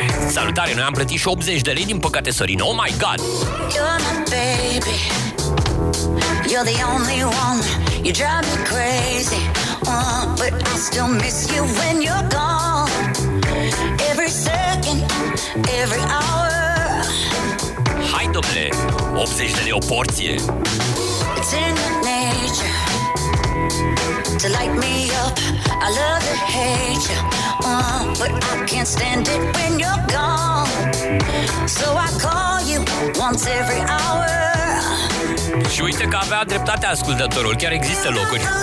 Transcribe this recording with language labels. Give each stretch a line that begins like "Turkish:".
Romanian: Salutare, noi am plătit și 80 de lei, din păcate, Sorin.
English: Oh my God! You're my baby, you're the only one, you drive me crazy, but I still miss you when you're gone. Every second, every hour.
Romanian: Hai, domnule, 80 de lei o porție.
English: It's in the nature to light me up, I love to hate you, but I can't stand it when you're gone. So I call you once every hour.
Romanian: Și uite că avea dreptate ascultătorul, chiar există locuri.